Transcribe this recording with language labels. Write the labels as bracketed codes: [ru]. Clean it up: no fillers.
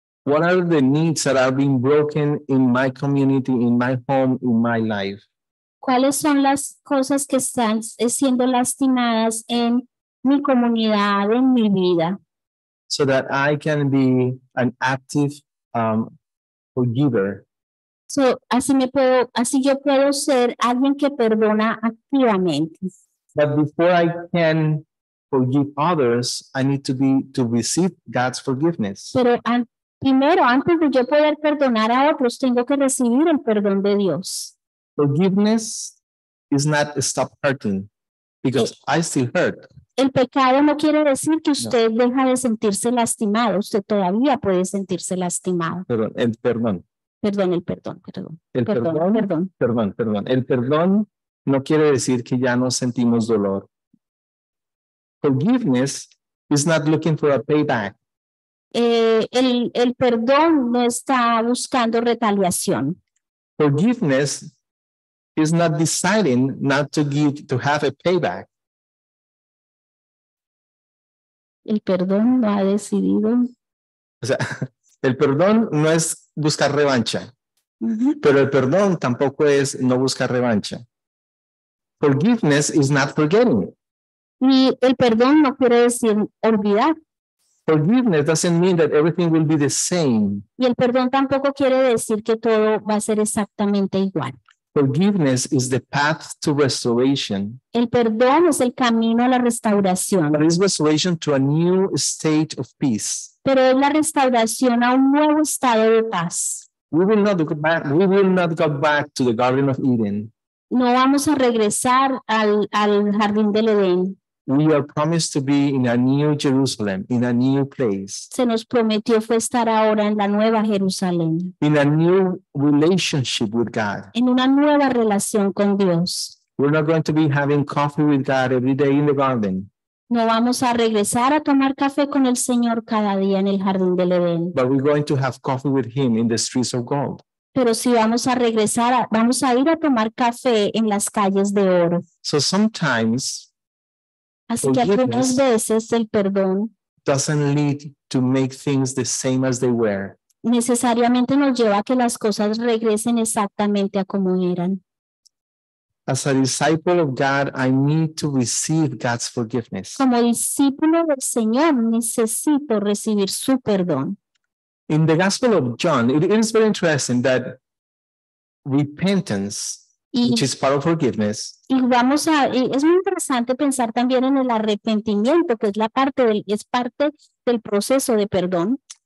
[en] What are the needs that are being broken in my community, in my home, in my life? [es] ¿Cuáles son las cosas que están siendo lastimadas en mi comunidad, en mi vida? [en] So that I can be an active forgiver. [es] So, así yo puedo ser alguien que perdona activamente. [en] But before I can forgive others, I need to be to receive God's forgiveness. [es] Pero primero, antes de yo poder perdonar a otros, tengo que recibir el perdón de Dios. [en] Forgiveness is not stop hurting, because I still hurt. [es] El pecado no quiere decir que usted no deja de sentirse lastimado. Usted todavía puede sentirse lastimado. El perdón no quiere decir que ya no sentimos dolor. [en] Forgiveness is not looking for a payback. [es] El perdón no está buscando retaliación. [en] Forgiveness is not deciding not to give, to have a payback. [es] El perdón no ha decidido. O sea, el perdón no es buscar revancha. Uh-huh. Pero el perdón tampoco es no buscar revancha. [en] Forgiveness is not forgetting. [es] Y el perdón no quiere decir olvidar. [en] Forgiveness doesn't mean that everything will be the same. [es] Y el perdón tampoco quiere decir que todo va a ser exactamente igual. [en] Forgiveness is the path to restoration. [es] El perdón es el camino a la restauración. [en] But it's restoration to a new state of peace. [es] Pero es la restauración a un nuevo estado de paz. [en] We will not go back to the Garden of Eden. [es] No vamos a regresar al Jardín del Edén. [en] We are promised to be in a new Jerusalem, in a new place. [es] Se nos prometió fue estar ahora en la nueva Jerusalén. [en] In a new relationship with God. [es] En una nueva relación con Dios. [en] We're not going to be having coffee with God every day in the garden. [es] No vamos a regresar a tomar café con el Señor cada día en el jardín del Edén. [en] But we're going to have coffee with him in the streets of gold. [es] Pero si vamos a regresar, vamos a ir a tomar café en las calles de oro. [en] So sometimes, [es] así que algunas veces el perdón [en] doesn't lead to make things the same as they were. [es] Necesariamente nos lleva a que las cosas regresen exactamente a como eran. [en] As a disciple of God, I need to receive God's forgiveness. [es] Como discípulo del Señor, necesito recibir su perdón. [en] In the Gospel of John, it is very interesting that repentance, which is part of forgiveness. [es] Y vamos a, y es muy interesante pensar también en el arrepentimiento, que es la parte del, es parte del proceso de perdón.